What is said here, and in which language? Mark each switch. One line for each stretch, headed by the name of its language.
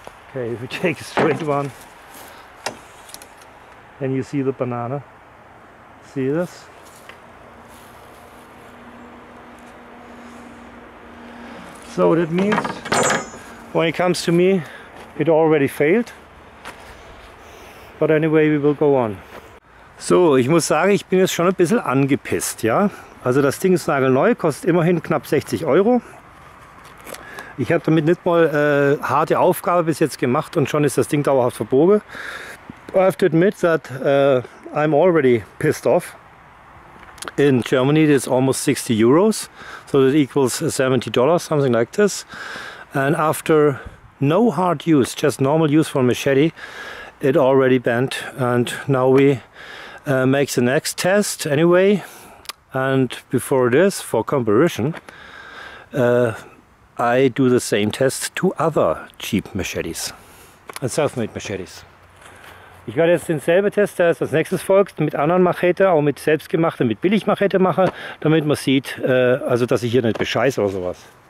English: Okay, if we take a straight one and you see the banana, see this? So that means when it comes to me, it already failed. But anyway, we will go on.
German: So, ich muss sagen, ich bin jetzt schon ein bisschen angepisst, ja? Also das Ding ist nagelneu, kostet immerhin knapp 60 Euro. Ich habe damit nicht mal harte Aufgabe bis jetzt gemacht und schon ist das Ding dauerhaft verbogen.
English: I have to admit that I'm already pissed off. In Germany it's almost 60 euros, so that equals $70, something like this. And after no hard use, just normal use for a machete, it already bent. And now we make the next test anyway. And before this, for comparison, I do the same test to other cheap machetes and self-made machetes.
German: Ich werde jetzt denselben Test, der als nächstes folgt, mit anderen Machete, auch mit selbstgemachten, mit Billigmachete machen, damit man sieht, also dass ich hier nicht bescheiße oder sowas.